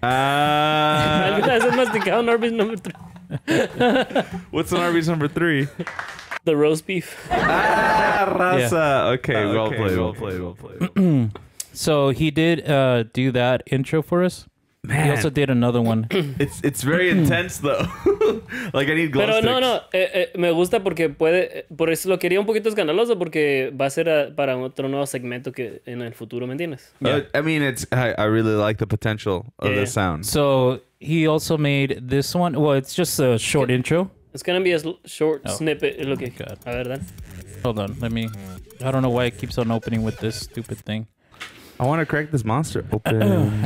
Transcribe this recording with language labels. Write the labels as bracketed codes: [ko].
[es] ¿Alguna vez has masticado [en] an Arby's number 3? What's an Arby's number 3? The roast beef. Raza. Yeah. Okay, well played, well played, well played. So he did do that intro for us. Man. He also did another one. It's very intense though. Like I need glow [es] Pero [en] sticks. [es] No, no, me gusta porque puede por eso lo quería un poquito escandaloso porque va a ser para otro nuevo segmento que en el futuro, ¿me entiendes? [en] Yeah. I mean I really like the potential of the sound. So he also made this one. Well, it's just a short intro. It's going to be a short snippet. Okay. Oh, [es] a ver, [en] Dan. Hold on. Let me I don't know why it keeps on opening with this stupid thing. I want to crack this monster open.